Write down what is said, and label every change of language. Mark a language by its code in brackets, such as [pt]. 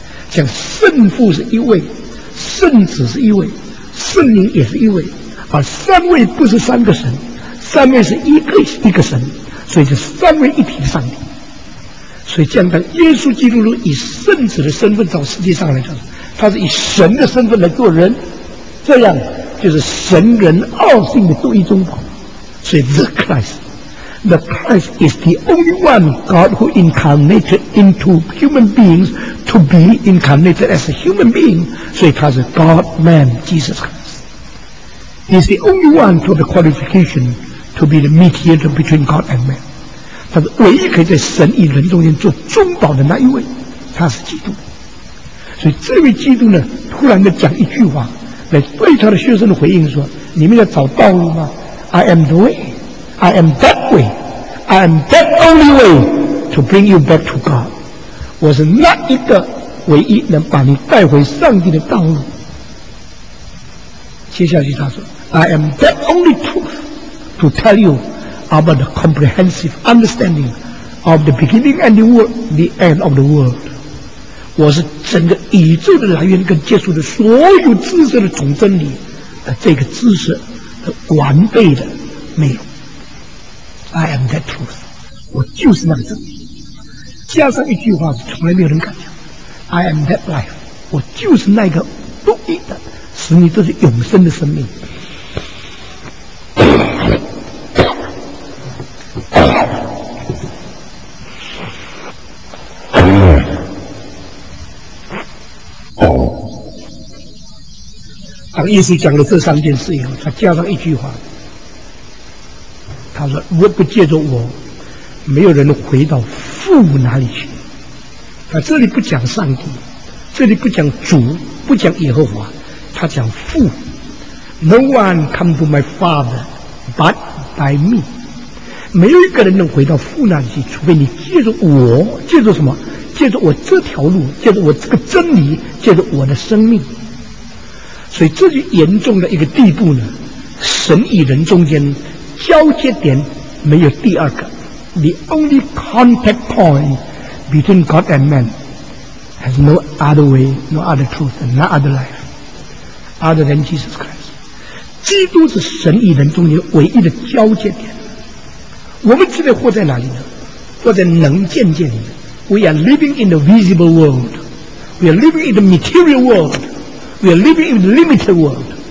[zh] 像圣父是一位，圣子是一位，圣灵也是一位，而三位不是三个神，三位是一个神，所以是三位一体的上帝。所以，将当耶稣基督以圣子的身份到世界上来讲，他是以神的身份来做人，这样就是神人二性的独一中宝。所以 [en] ，the Christ。 The Christ is the only one God who incarnated into human beings to be incarnated as a human being. So he is God-man, Jesus Christ. He is the only one to have the qualification to be the mediator between God and man. [zh] 他是唯一可以在神与人中间做中保的那一位，他是基督。所以这位基督呢，突然的讲一句话，来对他的学生的回应说：“你们要找道路吗 ？ [en] I am the way.” I am that way. I am that only way to bring you back to God. [zh] 我是那一个唯一能把你带回上帝的道路。接下去他说 [en] I am that only truth to tell you about the comprehensive understanding of the beginning and the end of the world. [zh] 我是整个宇宙的来源跟结束的所有知识的总真理的这个知识的完备的内容。 [en] I am that truth. [zh] 我就是那个真理。加上一句话是从来没有人敢讲。 [en] I am that life. [zh] 我就是那个独一的，使你都是永生的生命。当耶稣讲了这三件事以后，他加上一句话。他说：“若不借着我，没有人回到父那里去。” 他这里不讲上帝，这里不讲主，不讲耶和华，他讲父。 [en] No one come to my father but by me。 [zh] 没有一个人能回到父那里去，除非你借着我，借着什么？借着我这条路，借着我这个真理，借着我的生命。所以这就严重的一个地步呢，神与人中间。交接点没有第二个 [en] The only contact point between God and man has no other way, no other truth, and no other life other than Jesus Christ [zh] 基督是神与人中间唯一的交接点我们现在活在哪里呢活在能见界里面 [en] We are living in the visible world We are living in the material world We are living in the limited world